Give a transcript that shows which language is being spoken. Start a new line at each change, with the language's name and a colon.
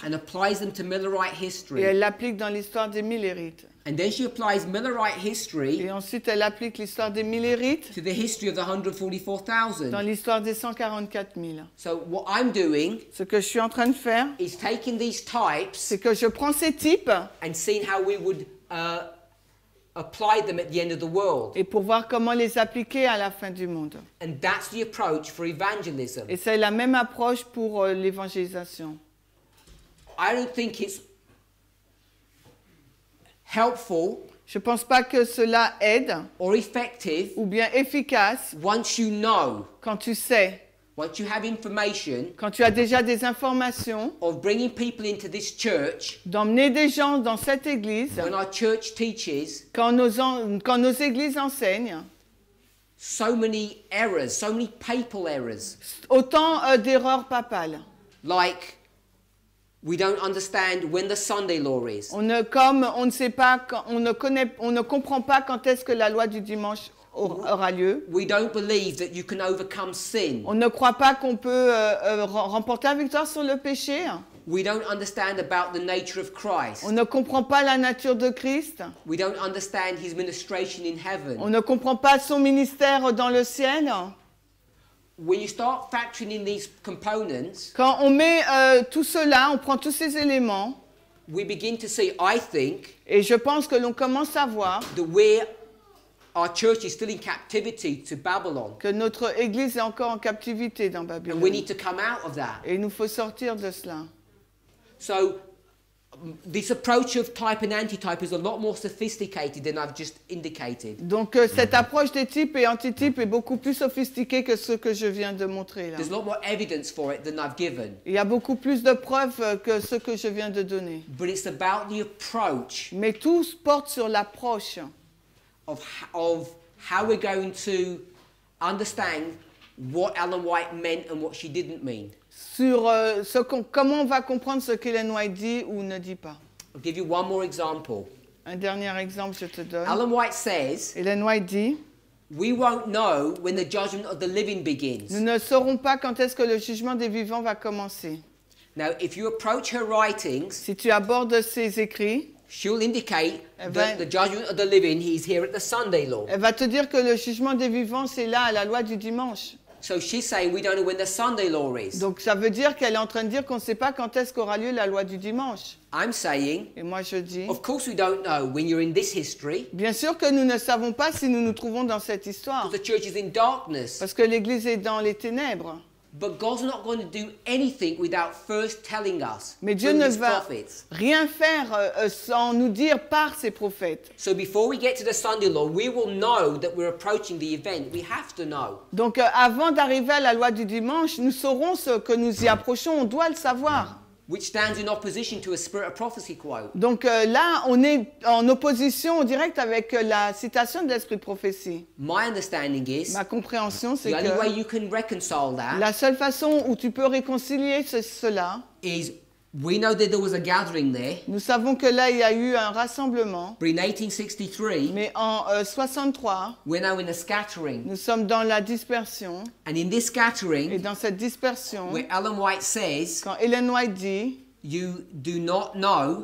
English: And applies them to Millerite history.
French: Et elle l'applique dans l'histoire des Millerites.
English: And then she applies Millerite history.
French: Et ensuite elle applique l'histoire des Millerites.
English: To the history of the 144,000.
French: Dans l'histoire des 144,000.
English: So what I'm doing.
French: Ce que je suis en train de faire.
English: Is taking these types.
French: C'est que je prends ces types.
English: And seeing how we would apply them at the end of the world.
French: Et pour voir comment les appliquer à la fin du monde.
English: And that's the approach for evangelism.
French: Et c'est la même approche pour l'évangélisation.
English: I don't think it's helpful.
French: Je pense pas que cela aide.
English: Or effective.
French: Ou bien efficace.
English: Once you know.
French: Quand tu sais.
English: Once you have information.
French: Quand tu as déjà des informations.
English: Of bringing people into this church.
French: D'emmener des gens dans cette église.
English: When our church teaches.
French: Quand nos églises enseignent.
English: So many errors, so many papal errors.
French: Autant d'erreurs papales.
English: Like. We don't understand when the Sunday law is.
French: On ne comprend pas quand est-ce que la loi du dimanche aura lieu.
English: We don't believe that you can overcome sin.
French: On ne croit pas qu'on peut remporter la victoire sur le péché.
English: We don't understand about the nature of Christ.
French: On ne comprend pas la nature de Christ.
English: We don't understand his ministration in heaven.
French: On ne comprend pas son ministère dans le ciel.
English: When you start factoring in these components,
French: quand on met tout cela, on prend tous ces éléments,
English: we begin to see, I think,
French: et je pense que l'on commence à voir
English: our church is still in captivity to Babylon.
French: Que notre église est encore en captivité dans Babylone.
English: And we need to come out of that.
French: Et il nous faut sortir de cela.
English: So, this approach of type and anti-type is a lot more sophisticated than I've just indicated.
French: Donc cette approche des types et anti-types est beaucoup plus sophistiquée que ce que je viens de montrer là.
English: There's a lot more evidence for it than I've given.
French: Il y a beaucoup plus de preuves que ce que je viens de donner.
English: But it's about the approach.
French: Mais tout porte sur l'approche.
English: Of how we're going to understand what Ellen White meant and what she didn't mean.
French: Sur comment on va comprendre ce qu'Ellen White dit ou ne dit pas.
English: I'll give you one more example.
French: Un dernier exemple, je te donne.
English: Ellen White says.
French: Ellen White dit.
English: We won't know when the judgment of the living begins.
French: Nous ne saurons pas quand est-ce que le jugement des vivants va commencer.
English: Now, if you approach her writings.
French: Si tu abordes ses écrits.
English: She'll indicate that the judgment of the living is here at the Sunday law.
French: Elle va te dire que le jugement des vivants c'est là à la loi du dimanche.
English: So she's saying we don't know when the Sunday law is.
French: Donc ça veut dire qu'elle est en train de dire qu'on ne sait pas quand est-ce qu'aura lieu la loi du dimanche.
English: I'm saying.
French: Et moi je dis.
English: Of course we don't know when you're in this history.
French: Bien sûr que nous ne savons pas si nous nous trouvons dans cette histoire.
English: Because the church is in darkness.
French: Parce que l'église est dans les ténèbres.
English: But God's not going to do anything without first telling us.
French: Mais Dieu ne va rien faire sans nous dire par ses prophètes.
English: So before we get to the Sunday law, we will know that we're approaching the event. We have to know.
French: Donc avant d'arriver à la loi du dimanche, nous saurons ce que nous y approchons. On doit le savoir.
English: Which stands in opposition to a spirit of prophecy quote.
French: Donc là, on est en opposition directe avec la citation de l'esprit de prophétie.
English: My understanding is.
French: Ma compréhension, c'est
English: the
French: que.
English: The only way you can reconcile that.
French: La seule façon où tu peux réconcilier cela.
English: Is we know that there was a gathering there.
French: Nous savons que là, il y a eu un rassemblement.
English: But in 1863.
French: Mais en 63.
English: We're now in a scattering.
French: Nous sommes dans la dispersion.
English: And in this scattering.
French: Et dans cette dispersion.
English: Where Ellen White says.
French: Quand Ellen White dit.
English: You do not know.